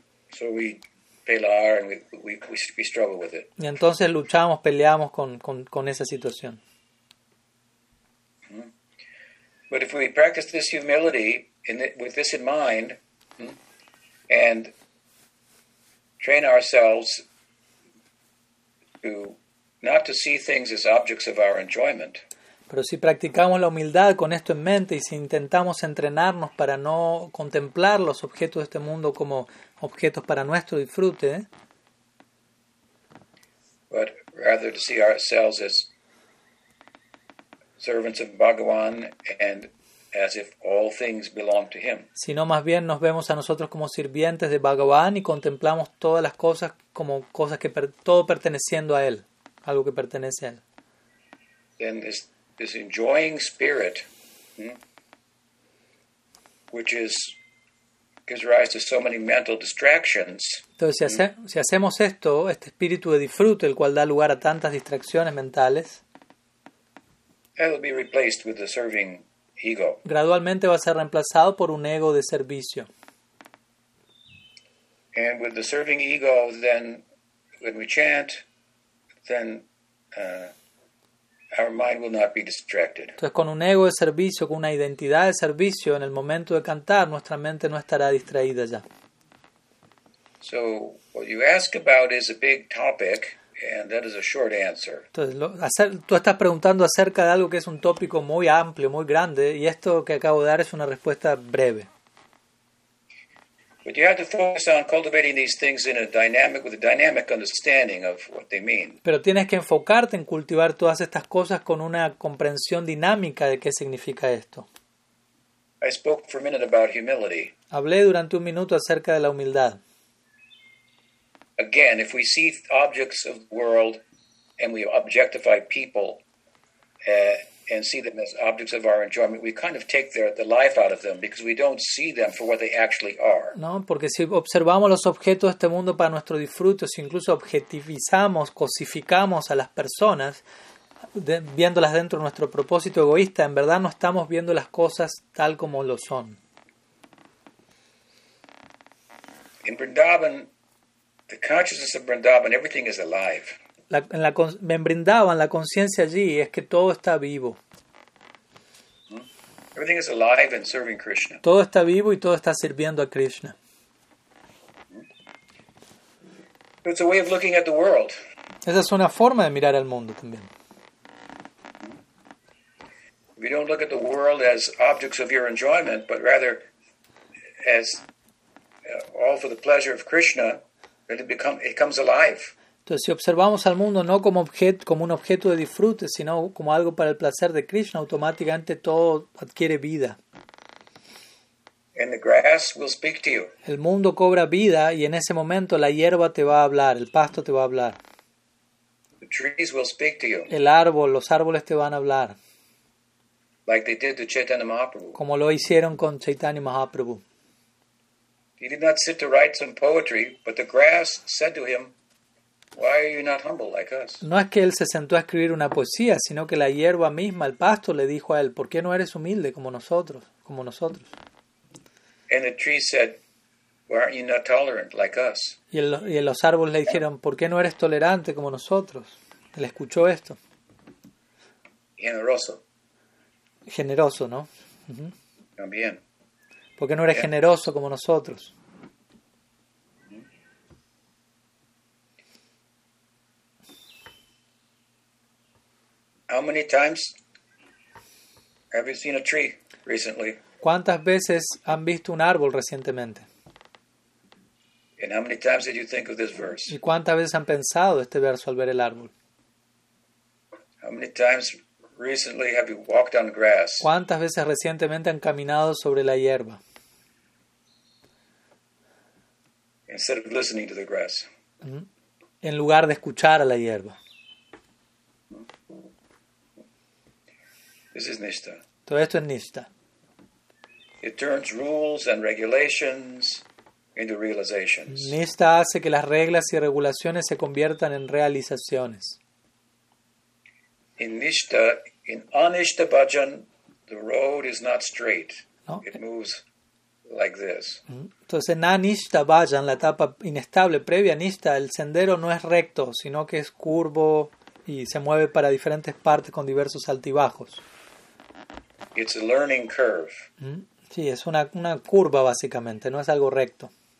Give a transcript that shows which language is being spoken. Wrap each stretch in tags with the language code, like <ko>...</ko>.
<en>So we</en> <es>pelear</es> <en>and we struggle with it.</en> <es>Y entonces luchamos, peleamos con esa situación.</es> <en>But if we practice this humility with this in mind and train ourselves not to see things as objects of our enjoyment.</en> <es>Pero si practicamos la humildad con esto en mente y si intentamos entrenarnos para no contemplar los objetos de este mundo como objetos para nuestro disfrute,</es> <en>but rather to see ourselves as servants of Bhagavan and as if all things belong to him.</en> <es>Sino más bien nos vemos a nosotros como sirvientes de Bhagavan y contemplamos todas las cosas como cosas que todo perteneciendo a él, algo que pertenece a él.</es> <en>Then this enjoying spirit, which is gives rise to so many mental distractions.</en> <es>Entonces, si hacemos esto, este espíritu de disfrute, el cual da lugar a tantas distracciones mentales,</es> <en>it'll be replaced with the serving ego.</en> <es>Gradualmente va a ser reemplazado por un ego de servicio.</es> <en>And with the serving ego, then when we chant, then our mind will not be distracted.</en> <es>Entonces, con un ego de servicio, con una identidad de servicio, en el momento de cantar, nuestra mente no estará distraída ya.</es> <en>So what you ask about is a big topic, and that is a short answer.</en> <es>Entonces, tú estás preguntando acerca de algo que es un tópico muy amplio, muy grande, y esto que acabo de dar es una respuesta breve.</es> <en>But you have to focus on cultivating these things in a dynamic, with a dynamic understanding of what they mean.</en> <es>Pero tienes que enfocarte en cultivar todas estas cosas con una comprensión dinámica de qué significa esto.</es> <en>I spoke for a minute about humility.</en> <es>Hablé durante un minuto acerca de la humildad.</es> <en>Again, if we see objects of the world and we objectify people and see them as objects of our enjoyment, we kind of take the life out of them because we don't see them for what they actually are.</en> <es>No, porque si observamos los objetos de este mundo para nuestro disfrute, si incluso objetivizamos, cosificamos a las personas, viéndolas dentro de nuestro propósito egoísta, en verdad no estamos viendo las cosas tal como lo son.</es> <en>In Vrindavan, the consciousness of Vrindavan, everything is alive.</en> <es>En Vrindavan, la conciencia allí es que todo está vivo.</es> <en>Everything is alive and serving Krishna.</en> <es>Todo está vivo y todo está sirviendo a Krishna.</es> <en>It's a way of looking at the world.</en> <es>Esa es una forma de mirar al mundo también.</es> <en>We don't look at the world as objects of your enjoyment, but rather as all for the pleasure of Krishna. And it comes alive.</en> <es>Entonces, si observamos al mundo no como objeto, como un objeto de disfrute, sino como algo para el placer de Krishna, automáticamente todo adquiere vida.</es> <en>And the grass will speak to you.</en> <es>El mundo cobra vida y en ese momento la hierba te va a hablar, el pasto te va a hablar.</es> <en>The trees will speak to you.</en> <es>El árbol, los árboles te van a hablar.</es> <en>Like they did to Chaitanya Mahaprabhu.</en> <es>Como lo hicieron con Chaitanya Mahaprabhu.</es> <en>He did not sit to write some poetry, but the grass said to him, "Why are you not humble like us?"</en> <es>No es que él se sentó a escribir una poesía, sino que la hierba misma, el pasto, le dijo a él, "¿Por qué no eres humilde como nosotros, como nosotros?"</es> <en>And the tree said, "Why aren't you not tolerant like us?"</en> <es>Y los árboles le dijeron, "¿Por qué no eres tolerante como nosotros?" Él escuchó esto. Generoso. Generoso, ¿no? También. ¿Por qué no eres generoso como nosotros?</es> <en>How many times have you seen a tree recently?</en> <es>¿Cuántas veces han visto un árbol recientemente?</es> <en>And how many times did you think of this verse?</en> <es>¿Y cuántas veces han pensado este verso al ver el árbol?</es> <en>How many times recently have you walked on grass?</en> <es>¿Cuántas veces recientemente han caminado sobre la hierba?</es> <en>Instead of listening to the grass.</en> <es>En lugar de escuchar a la hierba.</es> <en>This is nishtha.</en> <es>Todo esto es nishtha.</es> <en>It turns rules and regulations into realizations.</en> <es>Nishtha hace que las reglas y regulaciones se conviertan en realizaciones.</es> <en>In nishtha, in anishtha bhajan, the road is not straight. No. It moves like this.</en> <es>Entonces, en anishtha bhajan, la etapa inestable previa a nishtha, el sendero no es recto, sino que es curvo y se mueve para diferentes partes con diversos altibajos.</es> <en>It's a learning curve.</en> <es>Sí, es una curva básicamente, no es algo recto.</es>